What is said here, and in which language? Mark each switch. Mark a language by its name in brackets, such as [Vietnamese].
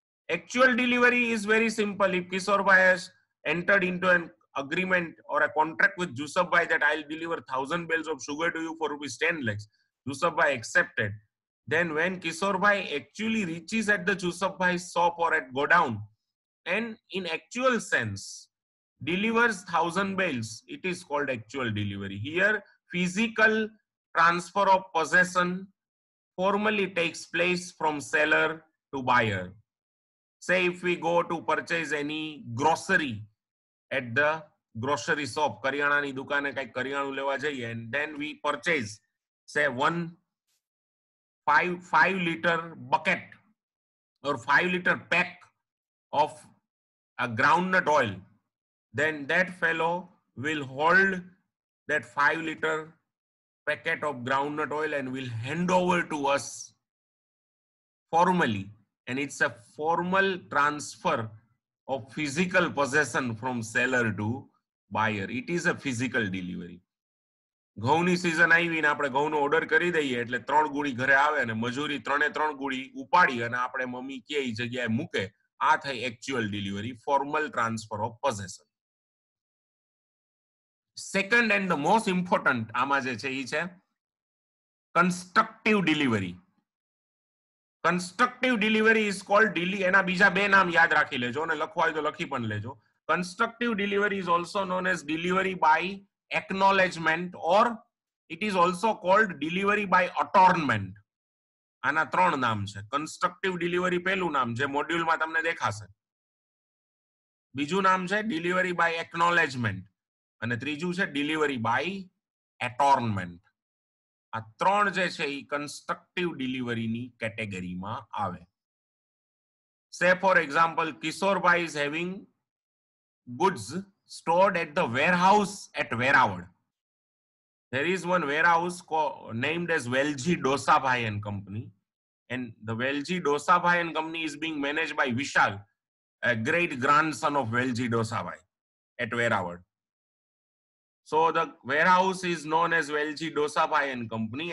[English] Actual delivery is very simple. If Kishorbhai has entered in to an agreement or a contract with Jusufbhai that I will deliver 1000 bales of sugar to you for rupees 10 lakhs, Jusufbhai accepted, then when Kishorbhai actually reaches at the Jusufbhai shop or at godown and in actual sense delivers 1000 bales, it is called actual delivery. Here, physical transfer of possession formally takes place from seller to buyer. Say, if we go to purchase any grocery at the grocery shop, [Gujarati] kariyana ni dukane kai kariyanu leva jaiye, [English] and then we purchase, say, 5 liter bucket or 5 liter pack of a groundnut oil, then that fellow will hold that 5 liter packet of groundnut oil and will hand over to us formally, and it's a formal transfer of physical possession from seller to buyer. It is a physical delivery. [Gujarati] ઘઉંની season આવીને આપણે ઘઉંનો order કરી દઈએ એટલે 3 ગુણી ઘરે આવે અને મજૂરી 3-3 ગુણી ઉપાડી અને આપણે મમ્મી કે એ જગ્યાએ મૂકે, આ થઈ [English] Actual delivery, formal transfer of possession. Second and the most important [Gujarati] આમાં જે છે એ છે constructive delivery. [English] Constructive delivery is called delivery. [Gujarati] એના બીજા બે નામ યાદ રાખી લેજો અને લખવા હોય તો લખી પણ લેજો. [English] Constructive delivery is also known as delivery by acknowledgement, or it is also called delivery by attornment. [Gujarati] આના ત્રણ નામ છે. કન્સ્ટ્રક્ટિવ ડિલિવરી પહેલું નામ જે મોડ્યુલમાં તમને દેખાશે, બીજું નામ છે ડિલિવરી બાય એક્નોલેજમેન્ટ, અને ત્રીજું છે ડિલિવરી બાય એટોર્નમેન્ટ. આ ત્રણ જે છે એ કન્સ્ટ્રક્ટિવ ડિલિવરીની કેટેગરીમાં આવે. [English] Say for example, Kishorbhai is having goods stored at the warehouse at Veraval. There is one warehouse named as Velji Dosabhai and Company. And the Velji Dosabhai and Company is being managed by Vishal, a great grandson of Velji Dosabhai at Veravad. So the warehouse is known as Velji Dosabhai and Company.